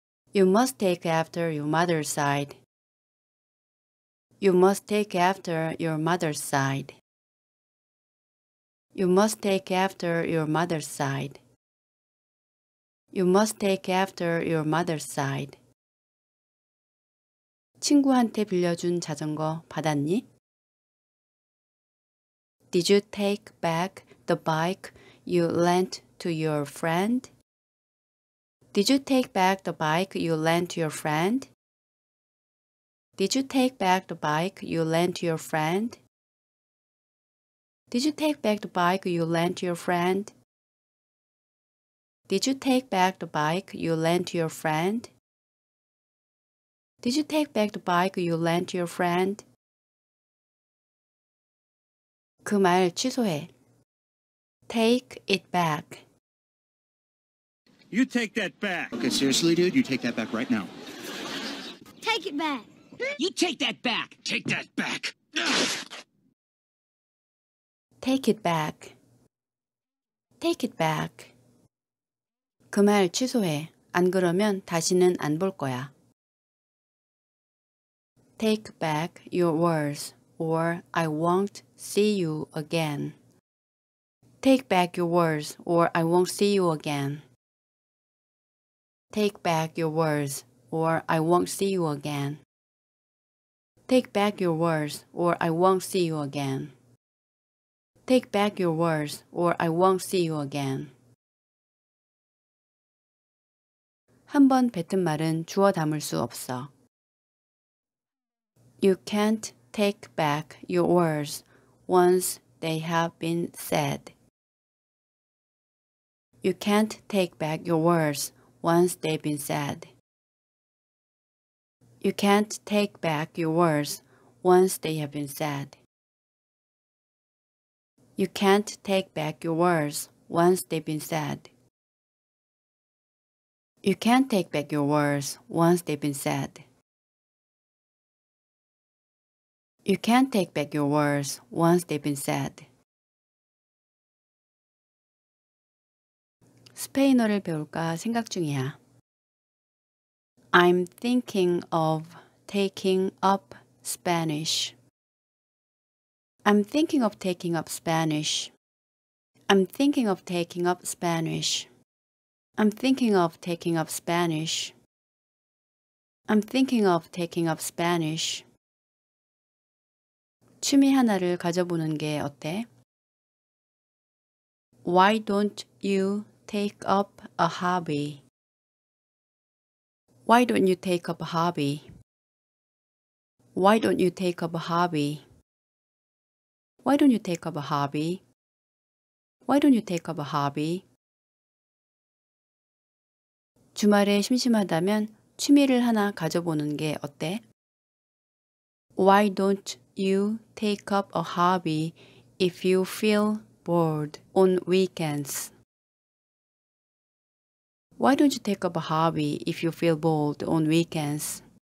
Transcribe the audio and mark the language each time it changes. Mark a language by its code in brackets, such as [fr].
[en] You must take after your mother's side. You must take after your mother's side. You must take after your mother's side. You must take after your mother's side. [ko] 친구한테 빌려준 자전거 받았니? [en] Did you take back the bike you lent to your friend? Did you take back the bike you lent to your friend? Did you take back the bike you lent to your friend? Did you take back the bike you lent to your friend? Did you take back the bike you lent to your friend? Did you take back the bike you lent to your friend? [ko] 그 말 취소해. [en] Take it back. You take that back. Okay, seriously, dude, you take that back right now. Take it back. You take that back. Take that back. Take it back. Take it back. [ko] 그 말 취소해. 안 그러면 다시는 안 볼 거야. [en] Take back your words or I won't see you again. Take back your words or I won't see you again. Take back your words or I won't see you again. Take back your words or I won't see you again. Take back your words or I won't see you again. [ko] 한 번 뱉은 말은 주워 담을 수 없어. [en] You can't take back your words once they have been said. You can't take back your words once they've been said. You can't take back your words once they have been said. You can't take back your words once they've been said. You can't take back your words once they've been said. You can't take back your words once they've been said. [ko] 스페인어를 배울까 생각 중이야. [en] I'm thinking of taking up Spanish. I'm thinking of taking up Spanish. I'm thinking of taking up Spanish. I'm thinking of taking up Spanish. I'm thinking of taking up Spanish. [ko] 취미 하나를 가져보는 게 어때? [en] Why don't you take up a hobby? Why don't you take up a hobby? Why don't you take up a hobby? Why don't you take up a hobby? Why don't you take up a hobby? [ko] 주말에 심심하다면 취미를 하나 가져보는 게 어때? [en] Why don't you take up a hobby if you feel bored on weekends? Why don't you take up a hobby if you feel bored on weekends?